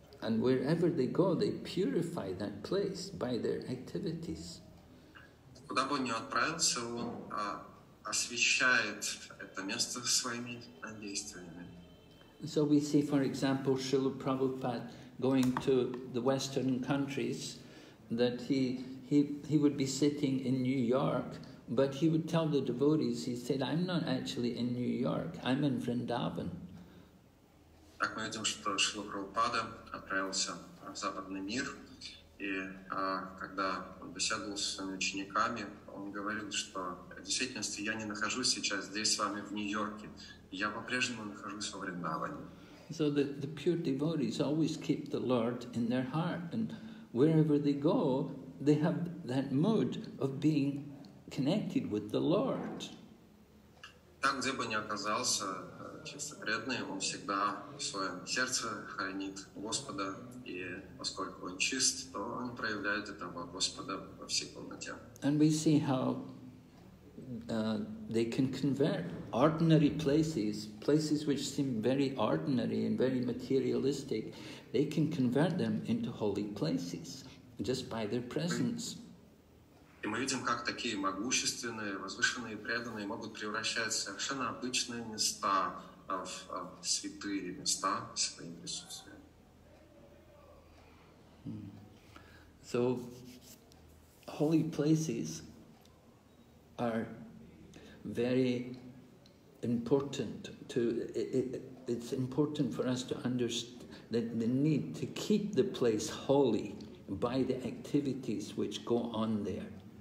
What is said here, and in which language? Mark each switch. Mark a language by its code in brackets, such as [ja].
[en] And wherever they go, they purify that place by their activities. [ru] Куда бы он ни отправился, он освещает это место своими действиями. [en] So we see, for example, Srila Prabhupada going to the Western countries, that he would be sitting in New York, but he would tell the devotees, he said, I'm not actually in New York, I'm in Vrindavan. [ru] Так мы видим, что Шрила Прабхупада отправился в западный мир, и когда он беседовал со своими учениками, он говорил, что в действительности я не нахожусь сейчас здесь с вами в Нью-Йорке, я по-прежнему нахожусь во Вриндаване. [en] So the pure devotees always keep the Lord in their heart, and wherever they go, they have that mood of being connected with the Lord. [ru] Там, где бы ни оказался чисто преданный, он всегда в своем сердце хранит Господа, и поскольку он чист, то он проявляет этого Господа во всей полноте. [en] And we see how they can convert ordinary places, places which seem very ordinary and very materialistic, they can convert them into holy places just by their presence. [ru] И мы видим, как такие могущественные, возвышенные преданные могут превращать совершенно обычные места в святые места своим присутствием. [en] So, holy places are very important to, it's important for us to understand that the need to keep the place holy by the activities which go on there.